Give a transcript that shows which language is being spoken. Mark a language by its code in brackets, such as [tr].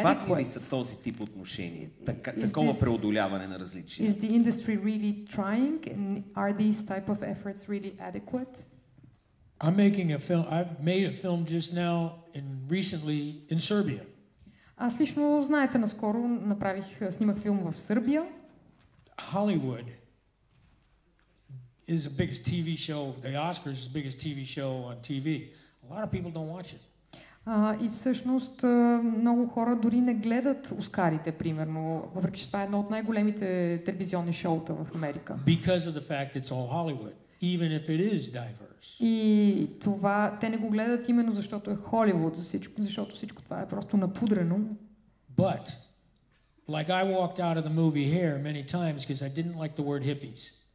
[bg] Адекватни ли са този тип отношения? Такова преодоляване на различия? [en] Is the industry really trying? And are these type of efforts really adequate? I'm making a film. I've made a film just now and recently in Serbia. [bg] Аз лично, знаете, наскоро снимах филм в Сърбия. [en] Hollywood is the biggest TV show, the Oscars is the biggest TV show on TV. A lot of people don't watch it. [bg] И всъщност много хора дори не гледат Оскарите, примерно, въпреки че това е едно от най-големите телевизионни шоута в Америка. [en] Because of the fact it's all Hollywood, even if it is diverse. [bg] И това, те не го гледат именно защото е Холивуд, защото всичко това е просто напудрено. [en] But, like I walked out of the movie Hair many times because I didn't like the word hippies.